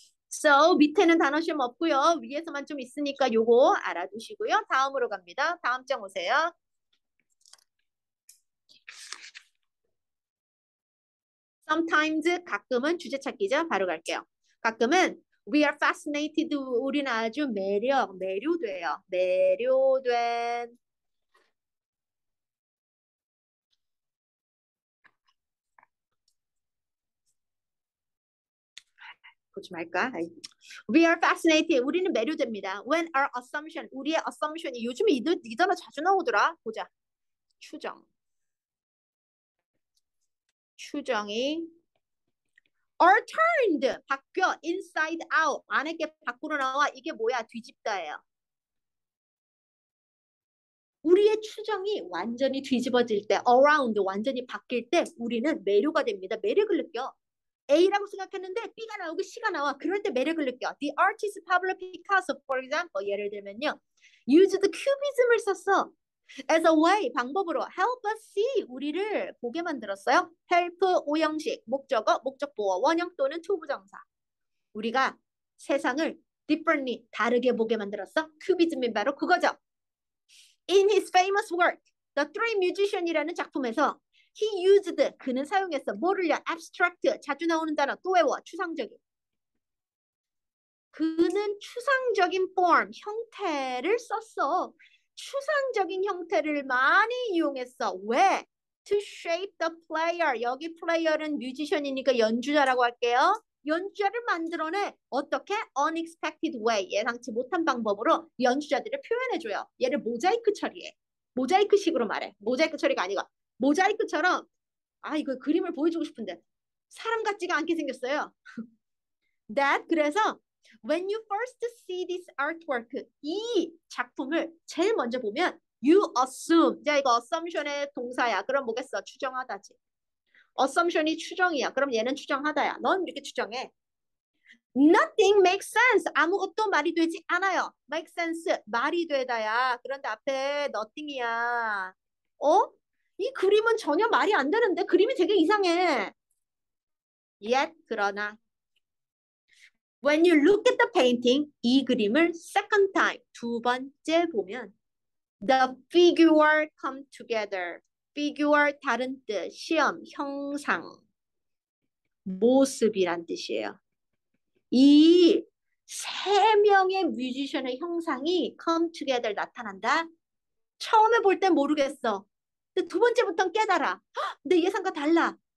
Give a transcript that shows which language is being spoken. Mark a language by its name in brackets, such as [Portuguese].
[Korean] So 밑에는 단어 시험 없고요. 위에서만 좀 있으니까 요거 알아두시고요. 다음으로 갑니다. 다음 장 오세요. Sometimes 가끔은 주제 찾기죠. 바로 갈게요. 가끔은 [English] We are fascinated. [Korean] 우리는 아주 매료돼요. 매료된. 보지 말까? [English] We are fascinated. [Korean] 우리는 매료됩니다. [English] When our assumption, [Korean] 우리의 assumption이 요즘에 이 단어 자주 나오더라. 보자. 추정. 추정이. [English] Are turned [Korean] 바뀌어 [English] inside out [Korean] 안에게 밖으로 나와 이게 뭐야 뒤집다예요. 우리의 추정이 완전히 뒤집어질 때 around 완전히 바뀔 때 우리는 매료가 됩니다. 매력을 느껴. A라고 생각했는데 B가 나오고 C가 나와 그럴 때 매력을 느껴. [English] The artist Pablo Picasso, for example, [Korean] 예를 들면요, [English] used [Korean] 큐비즘을 썼어. [English] As a way, [Korean] 방법으로 [English] help us see, [Korean] 우리를 보게 만들었어요. Help, 오형식, 목적어, 목적보어, 원형 또는 투부정사. 우리가 세상을 differently, 다르게 보게 만들었어. 큐비즘이 바로 그거죠. [English] In his famous work, The Three Musicians이라는 작품에서 he used, [Korean] 그는 사용했어. 뭐를요? Abstract, 자주 나오는 단어, 또 외워, 추상적인. 그는 추상적인 form, 형태를 썼어. 추상적인 형태를 많이 이용했어. 왜? [English] To shape the player. [Korean] 여기 player는 뮤지션이니까 연주자라고 할게요. 연주자를 만들어내. 어떻게? [English] Unexpected way. [Korean] 예상치 못한 방법으로 연주자들을 표현해줘요. 얘를 모자이크 처리해. 모자이크 식으로 말해. 모자이크 처리가 아니고. 모자이크처럼, 아, 이거 그림을 보여주고 싶은데. 사람 같지가 않게 생겼어요. That, 그래서. [English] When you first see this artwork, [Korean] 이 작품을 제일 먼저 보면 [English] you assume. [Korean] 자, 이거 assumption의 동사야. 그럼 뭐겠어? 추정하다지. Assumption이 추정이야. 그럼 얘는 추정하다야. 넌 이렇게 추정해. [English] Nothing makes sense. [Korean] 아무것도 말이 되지 않아요. [English] Make sense. [Korean] 말이 되다야. 그런데 앞에 nothing이야. 어? 이 그림은 전혀 말이 안 되는데? 그림이 되게 이상해. Yet, 그러나. [English] When you look at the painting, [Korean] 이 그림을 [English] second time, [Korean] 두 번째 보면, [English] the figure come together. [Korean] figure 다른 뜻, 시험, 형상, 모습이란 뜻이에요. 이세 명의 뮤지션의 형상이 [English] come together [Korean] 나타난다. 처음에 볼땐 모르겠어. 근데 두 번째부터는 깨달아. 내 예상과 달라.